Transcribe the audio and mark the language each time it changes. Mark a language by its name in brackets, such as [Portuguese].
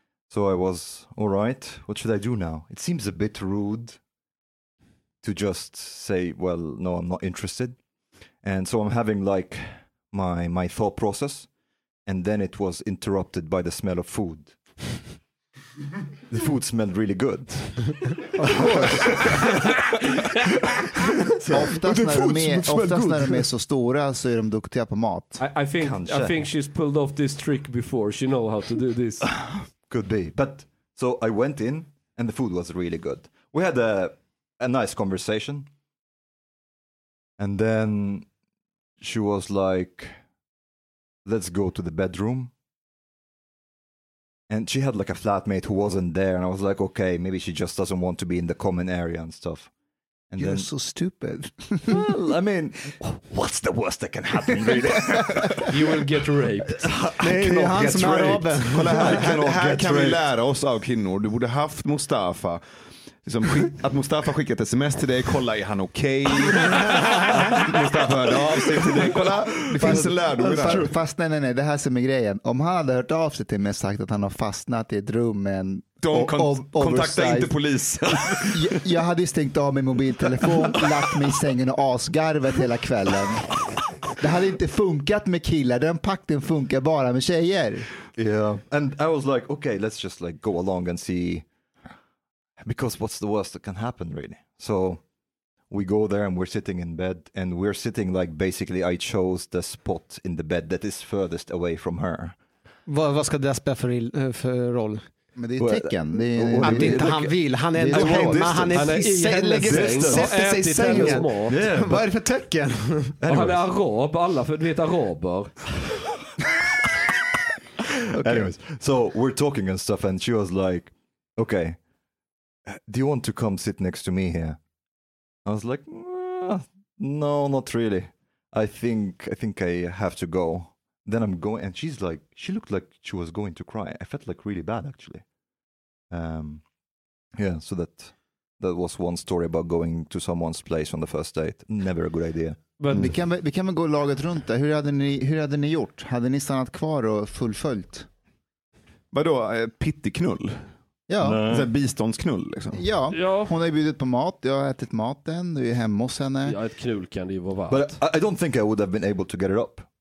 [English] So I was, all right, what should I do now? It seems a bit rude to just say, well, no, I'm not interested. And so I'm having like my thought process. And then it was interrupted by the smell of food. The food smelled really good. Of course. [Swedish] Oftast när de är så stora så är de duktiga på mat. [English] I think she's pulled off this trick before. She knows how to do this. Could be. But so I went in and the food was really good. We had a nice conversation. And then she was like, let's go to the bedroom. And she had like a flatmate who wasn't there. And I was like, okay, maybe she just doesn't want to be in the common area and stuff. And you're then, so stupid. Well, I mean, what's the worst that can happen, really? You will get raped. Maybe I cannot get raped. [Swedish] Kolla här, här kan vi lära oss av kvinnor. Du borde haft Mustafa. Som att Mustafa skickat sms till dig, kolla, är han okej? Okay? Mustafa hörde av sig till dig, kolla, det finns en lärdom där. Fast nej, det här som är grejen. Om han hade hört av sig till mig och sagt att han har fastnat i ett rum med en kontakta inte polisen. Jag hade ju stängt av min mobiltelefon, lagt mig i sängen och asgarvet hela kvällen. Det hade inte funkat med killar, den pakten funkar bara med tjejer. [English] Yeah, and I was like, okay, let's just like go along and see. Because what's the worst that can happen, really? So we go there and we're sitting in bed and we're sitting like basically I chose the spot in the bed that is furthest away from her. [Swedish] Vad ska det spela för roll? Men det är tecken. Att inte han vill. Han är ändå hemma. Han är i sängen. Sätter sig i sängen. Vad är det för tecken? Han är arab. Alla för du vet araber. [English] Anyways, so we're talking and stuff and she was like, okay, do you want to come sit next to me here? I was like, no, not really. I think I have to go. Then I'm going, and she's like, she looked like she was going to cry. I felt like really bad, actually. Yeah, so that was one story about going to someone's place on the first date. Never a good idea. [Swedish] But vi kan gå laget runt där. Hur hade ni gjort? Hade ni stannat kvar och fullföljt? Vadå, pittiknull? Ja, så biståndsknull liksom. Ja. Hon har bjudit på mat, jag har ätit maten, du är hemma hos henne. Ja, ett knull kan det ju vara värt. [English] But I don't think I would have been able to get it up.